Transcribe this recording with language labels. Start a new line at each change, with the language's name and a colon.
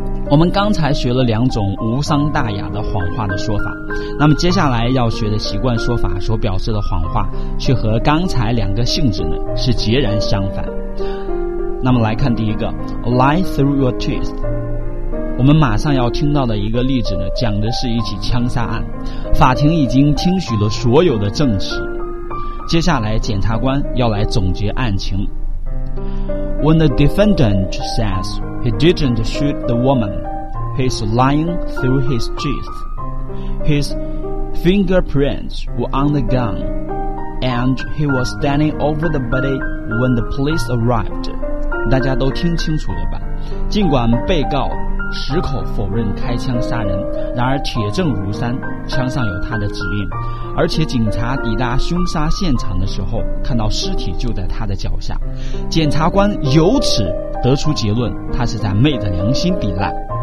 Chinese: 我们刚才学了两种无伤大雅的谎话的说法，那么接下来要学的习惯说法所表示的谎话却和刚才两个性质呢是截然相反。那么来看第一个，
English: lie through your teeth。
Chinese: 我们马上要听到的一个例子呢讲的是一起枪杀案，法庭已经听取了所有的证词，接下来检察官要来总结案情。
English: When the defendant says he didn't shoot the woman, he's lying through his teeth. His fingerprints were on the gun, and he was standing over the body when the police arrived.
Chinese: 大家都听清楚了吧，尽管被告矢口否认开枪杀人，然而铁证如山，枪上有他的指印，而且警察抵达凶杀现场的时候看到尸体就在他的脚下，检察官由此得出结论他是在昧着良心抵赖。